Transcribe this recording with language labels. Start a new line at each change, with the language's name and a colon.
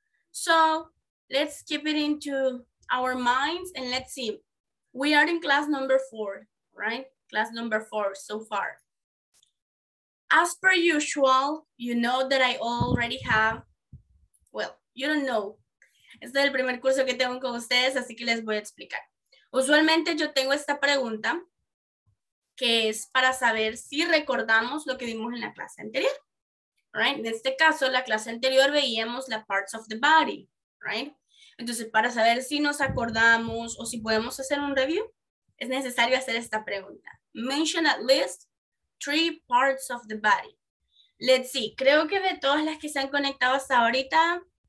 English: So let's keep it into our minds and let's see. We are in class number four, right? Class number four so far. As per usual, you know that I already have, well, you don't know.
Spanish: Este es el primer curso que tengo con ustedes, así que les voy a explicar. Usualmente yo tengo esta pregunta, que es para saber si recordamos lo que vimos en la clase anterior. Right? En este caso, la clase anterior veíamos la
English: parts of the body.
Spanish: Right? Entonces, para saber si nos acordamos o si podemos hacer un review, es necesario hacer esta pregunta.
English: Mention at least three parts of the body. Let's see.
Spanish: Creo que de todas las que se han conectado hasta ahorita...